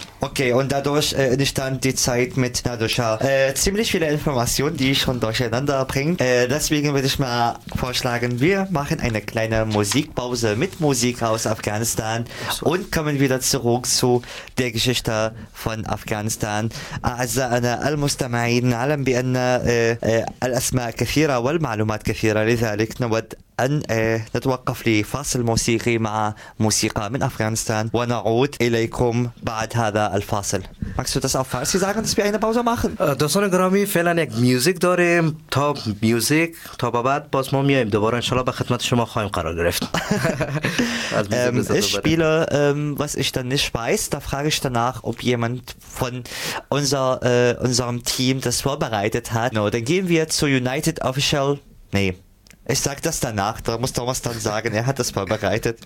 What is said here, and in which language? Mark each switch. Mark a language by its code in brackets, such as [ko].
[de] Okay, und dadurch entstand die Zeit mit Nader Shah. Ziemlich viele Informationen, die ich schon durcheinander bringe. Deswegen würde ich mal vorschlagen, wir machen eine kleine Musikpause mit Musik aus Afghanistan und kommen wieder zurück zu der Geschichte von Afghanistan. [ar] Also أنا المستمعين نعلم بأن الأسماء كثيرة والمعلومات كثيرة لذلك نود أن نتوقف لفاصل موسيقي مع موسيقى من أفغانستان ونعود إليكم بعد هذا الفاصل. [de] Magst du das auf Farsi sagen, dass wir eine Pause machen? [fa] دوستان گرامی فعلا یک میوزیک داریم تا میوزیک تا بعد باز ما میایم دوباره انشاءالله به خدمت شما خواهیم قرار گرفت. [de] Ich spiele, was ich dann nicht weiß, da frage ich danach, ob jemand von unserem Team das vorbereitet hat. No, dann gehen wir zu United Official. Nee. Ich sag das danach, da muss Thomas dann sagen, er hat das vorbereitet.